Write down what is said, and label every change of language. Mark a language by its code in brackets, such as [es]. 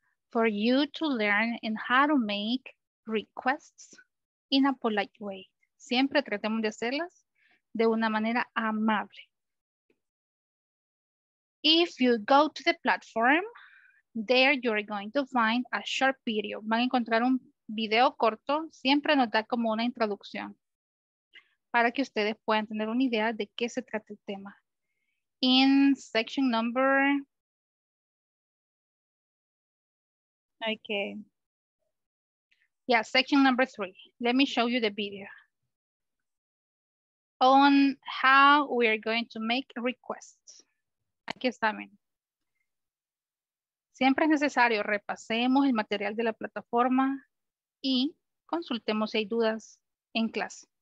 [en] For you to learn and how to make requests in a polite way. [es] Siempre tratemos de hacerlas de una manera amable. [en] If you go to the platform, there you're going to find a short video. [es] Van a encontrar un video corto. Siempre nos da como una introducción, para que ustedes puedan tener una idea de qué se trata el tema. [en] In section number, okay. Yeah, section number 3. Let me show you the video on how we are going to make requests. [es] Aquí está, miren. Siempre es necesario repasemos el material de la plataforma y consultemos si hay dudas en clase.